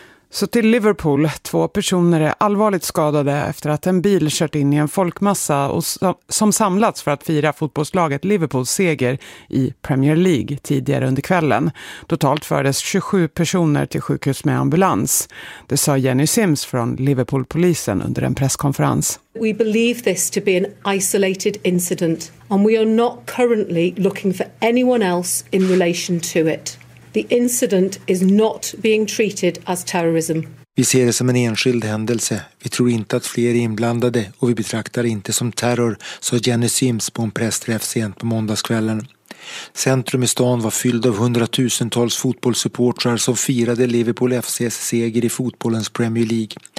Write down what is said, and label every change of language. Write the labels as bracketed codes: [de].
[sv] Så till Liverpool. Två personer är allvarligt skadade efter att en bil kört in i en folkmassa och som samlats för att fira fotbollslaget Liverpools seger i Premier League tidigare under kvällen. Totalt fördes 27 personer till sjukhus med ambulans. Det sa Jenny Sims från Liverpool-polisen under en presskonferens. [en] We believe this to be an isolated incident and we are not currently looking for anyone else in relation to it. The incident is not being treated as terrorism. [sv] Vi ser det som en enskild händelse. Vi tror inte att fler är inblandade och vi betraktar inte som terror, sa Jenny Sims på en pressträff sent på måndagskvällen. Centrum i stan var fylld av hundratusentals fotbollssupportrar som firade Liverpool FC:s seger i fotbollens Premier League.